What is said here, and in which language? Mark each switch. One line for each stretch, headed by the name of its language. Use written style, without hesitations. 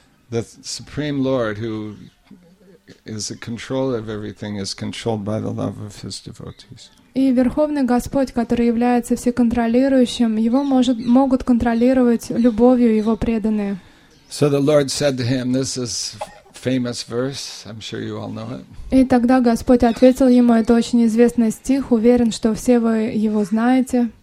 English: The Supreme Lord, who is the controller of everything, is controlled by the love of His devotees.
Russian: И Верховный Господь, который является всеконтролирующим, Его могут контролировать любовью Его преданные.
English: So the Lord said to him, this is famous verse, I'm sure you all know it.
Russian: И тогда Господь ответил ему, это очень известный стих, уверен, что все вы его знаете.